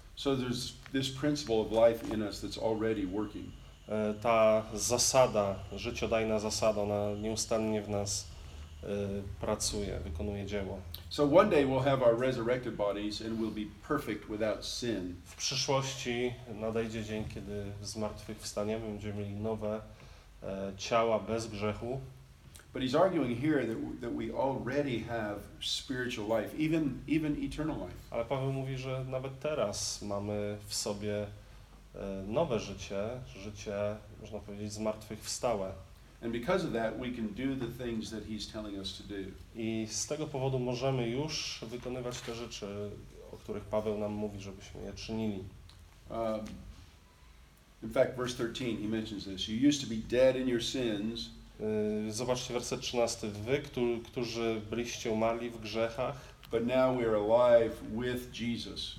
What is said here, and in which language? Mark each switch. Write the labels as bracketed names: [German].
[English] So there's this principle of life in us that's already working. [Polish] Ta zasada, życiodajna zasada, ona nieustannie w nas pracuje, wykonuje dzieło. [English] So one day we'll have our resurrected bodies and we'll be perfect without sin. [Polish] W przyszłości nadejdzie dzień, kiedy zmartwychwstaniemy, będziemy mieli nowe ciała bez grzechu. [English] But he's arguing here that we already have spiritual life, even eternal life. [Polish] Ale Paweł mówi, że nawet teraz mamy w sobie nowe życie, życie, można powiedzieć, zmartwychwstałe. [English] And because of that, we can do the things that he's telling us to do. [Polish] I z tego powodu możemy już wykonywać te rzeczy, o których Paweł nam mówi, żebyśmy je czynili. [English] In fact, verse 13, he mentions this. You used to be dead in your sins. [Polish] Zobaczcie werset 13. Wy, którzy byliście umarli w grzechach, [English] but now we are alive with Jesus.